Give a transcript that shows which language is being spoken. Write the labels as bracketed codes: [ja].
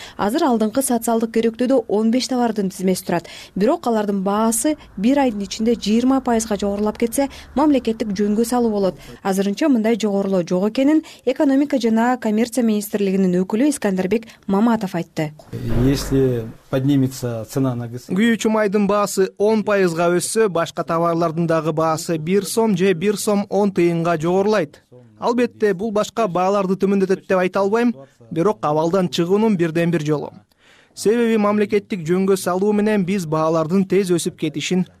[ky] Азыр алдыңкы социалдык керектөөдө 15 товардын тизмеси турат. Бирок алардын баасы бир айдын ичинде 20% жогорулап кетсе, мамлекеттик жөнгө салуу болот. Азырынча мындай жогорулоо жок экенин экономика жана коммерция министрлигинин өкүлү Искандарбек Маматов айтты. [ru] Если поднимется цена на газ. [ky] Күйүүчү майдын баасы 10% өссө, башка товарлардын дагы баасы 1 сом же 1 сом 10 тыйынга жогорулайт. Албетте, бул башка бааларды төмөндөтөт деп айта албайм, бирок абалдан чыгуунун бирден бир жолу. Себеби мамлекеттик жөнгө салуу менен биз баалардын тез өсүп кетишин